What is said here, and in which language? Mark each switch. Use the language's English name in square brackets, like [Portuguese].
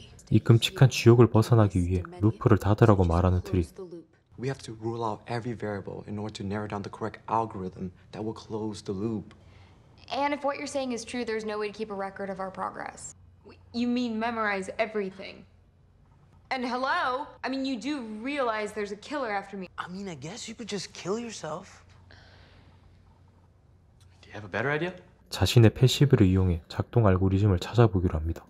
[Korean] 이 끔찍한 지옥을 벗어나기 위해 루프를 닫으라고 말하는 트리. [English] We have to rule out every variable in order to narrow down the correct algorithm that will close the loop. And if what you're saying is true, there's no way to keep a record of our progress. You mean memorize everything. And hello? I mean, you do realize there's a killer after me. I mean, I guess you could just kill yourself. Do you have a better idea? [Korean] 자신의 패시브를 이용해 작동 알고리즘을 찾아보기로 합니다.